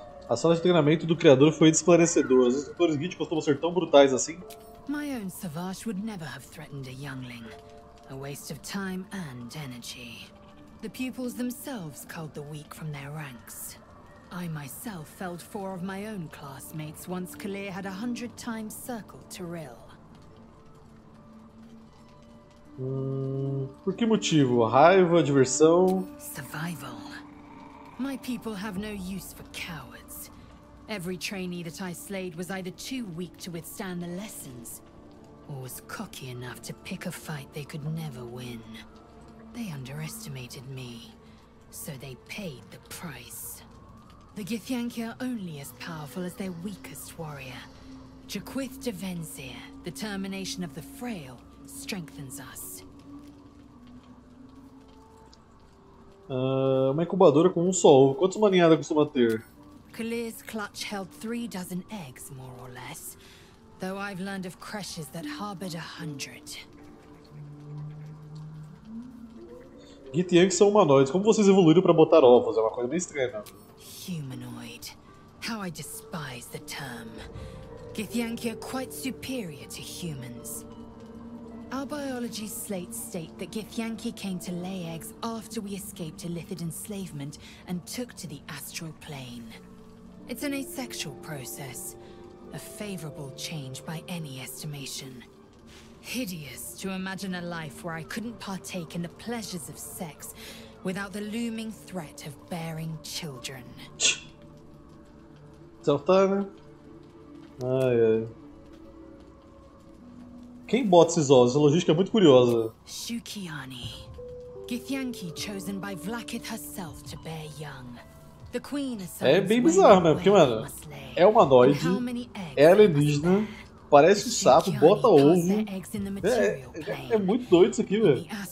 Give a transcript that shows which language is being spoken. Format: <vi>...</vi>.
<pt>A sala de treinamento do criador foi esclarecedora. Os instrutores Gith costumam ser tão brutais assim?</pt> <en>My own Savash would never have threatened a youngling. A waste of time and energy. The pupils themselves culled the weak from their ranks. I myself felled four of my own classmates once Kalir had 100 times circled Tyrell.</en> <pt>Por que motivo? Raiva, diversão?</pt> <en>Survival. My people have no use for cowards. Every trainee that I slayed was either too weak to withstand the lessons, or was cocky enough to pick a fight they could never win. They underestimated me, so they paid the price. The Githyanki are only as powerful as their weakest warrior. Jaquith Devensir, the termination of the frail, strengthens us.</en> <pt>Uma incubadora com um só ovo. Quantos uma ninhada costuma ter?</pt> <en>Kalir's clutch held 3 dozen eggs, more or less. Though I've learned of creches that harbored 100.</en> <pt>Githyanki são humanoides. Como vocês evoluíram para botar ovos? É uma coisa meio estranha.</pt> <en>Humanoid. How I despise the term. Githyanki are quite superior to humans. Our biology slates state that Githyanki came to lay eggs after we escaped illithid enslavement and took to the astral plane. It's an asexual process. A favorable change by any estimation. Hideous to imagine a life where I couldn't partake in the pleasures of sex without the looming threat of bearing children.</en> <pt>Saltana. Ai, ai. Quem bota esses ovos? A logística é muito curiosa. Shukiani.</pt> <en>Githyanki chosen by Vlakith herself to bear young. The queen is</en> <pt>é bem bizarro, né? Porque, mano, é humanoide, é alienígena. Parece um sapo, bota ovo. É muito doido isso aqui, velho.</pt>